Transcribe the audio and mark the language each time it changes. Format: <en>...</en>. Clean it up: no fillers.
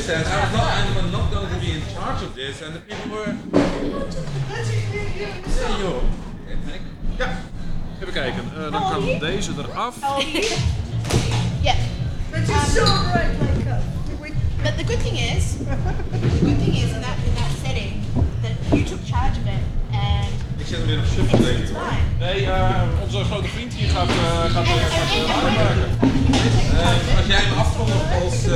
<en>this, and I was not, and I'm not going to be in charge of this, and the people were... Hey, yo.</en> <nl>Ja. Even kijken, dan kan deze eraf. Ja. Dat is zo</nl> <en>right, like. But the good thing is, in that setting, that you took charge of it.</en> <nl>Ik zet hem weer op shuffle, denk ik. Nee, onze grote vriend hier gaat weer wat aanmaken. Als jij hem afkondigt als...</nl>